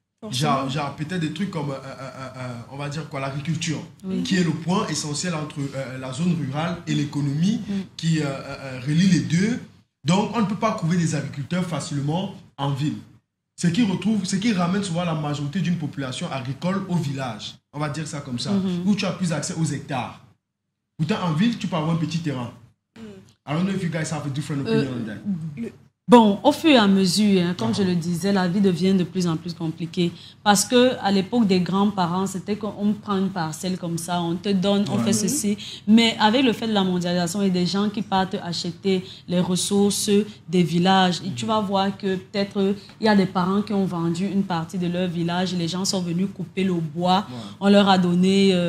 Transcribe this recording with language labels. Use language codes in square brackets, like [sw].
[fr] Genre peut-être des trucs comme, on va dire quoi, l'agriculture, qui est le point essentiel entre la zone rurale et l'économie, qui relie les deux. Donc, on ne peut pas trouver des agriculteurs facilement en ville. Ce qui ramène souvent la majorité d'une population agricole au village, on va dire ça comme ça, où tu as plus accès aux hectares. Pourtant, en ville, tu peux avoir un petit terrain. [en] I don't know if you guys have a different opinion on that. [fr] Bon, au fur et à mesure, hein, comme je le disais, la vie devient de plus en plus compliquée. Parce que à l'époque des grands-parents, c'était qu'on prend une parcelle comme ça, on te donne, on fait ceci. Mais avec le fait de la mondialisation et des gens qui partent acheter les ressources des villages, tu vas voir que peut-être il y a des parents qui ont vendu une partie de leur village, les gens sont venus couper le bois, on leur a donné...